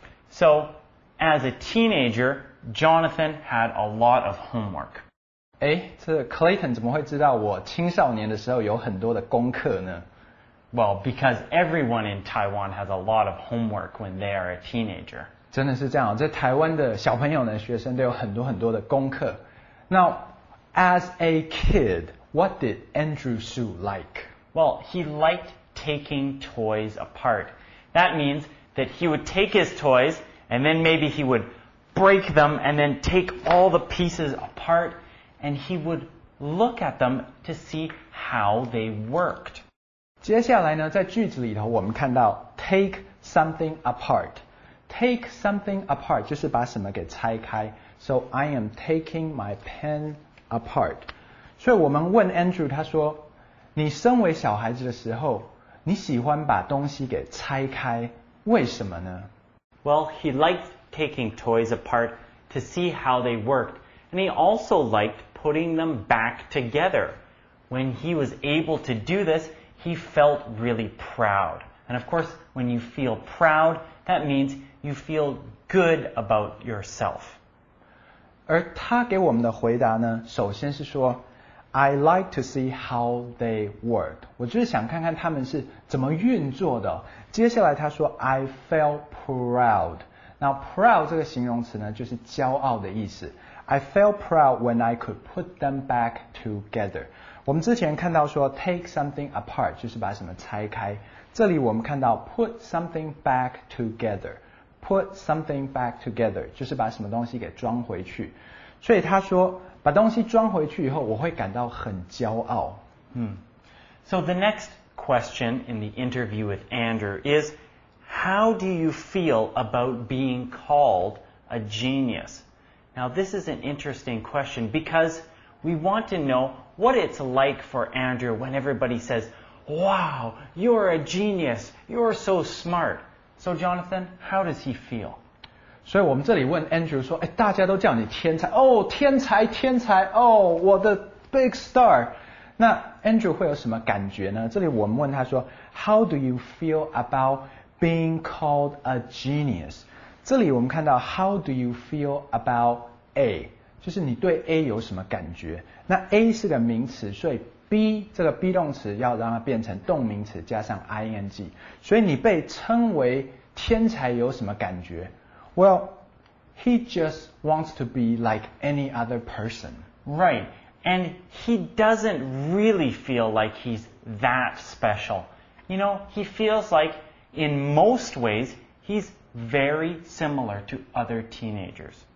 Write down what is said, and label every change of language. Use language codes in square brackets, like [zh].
[en] So as a teenager, Jonathan had a lot of homework. [zh] 诶，这 Clayton 怎么会知道我青少年的时候有很多的功课呢？ [en] Well, because everyone in Taiwan has a lot of homework when they are a teenager. [zh] 真的是这样，在台湾的小朋友呢，学生都有很多很多的功课。 [en] Now, as a kid, what did Andrew Hsu like? Well, he liked taking toys apart. That means that he would take his toys, and then maybe he would break them, and then take all the pieces apart, and he would look at them to see how they worked. [zh] 接下来呢，在句子里头，我们看到 [en] take something apart. Take something apart [zh] 就是把什么给拆开。 [en] So I am taking my pen apart. [zh] 所以我们问 Andrew, 他说你身为小孩子的时候你喜欢把东西给拆开，为什么呢？ [en] Well, he liked taking toys apart to see how they worked. And he also liked putting them back together. When he was able to do this, he felt really proud. And of course, when you feel proud, that means you feel good about yourself. [zh] 而他给我们的回答呢，首先是说 [en] I like to see how they work. [zh] 我就是想看看他们是怎么运作的。接下来他说 [en] I felt proud. Now proud [zh] 这个形容词呢，就是骄傲的意思。 [en] I felt proud when I could put them back together. [zh] 我们之前看到说 [en] take something apart [zh] 就是把什么拆开，这里我们看到 [en] put something back togetherPut something back together, [zh] 就是把什么东西给装回去。所以他说，把东西装回去以后，我会感到很骄傲。 [en] So the next question in the interview with Andrew is, how do you feel about being called a genius? Now this is an interesting question because we want to know what it's like for Andrew when everybody says, wow, you're a genius, you're so smart. So Jonathan, how does he feel? [zh] 所以我们这里问 Andrew 说，哎，大家都叫你天才，哦，天才，天才，哦，我的 [en] big star。 [zh] 那 Andrew 会有什么感觉呢？这里我们问他说 ， [en] How do you feel about being called a genius? [zh] 这里我们看到 [en] how do you feel about A， [zh] 就是你对 A 有什么感觉。那 A 是个名词，所以 B 这个 be 动词要让它变成动名词加上 ing， 所以你被称为天才有什么感觉？ [en] Well, he just wants to be like any other person. Right, and he doesn't really feel like he's that special. You know, he feels like in most ways he's very similar to other teenagers.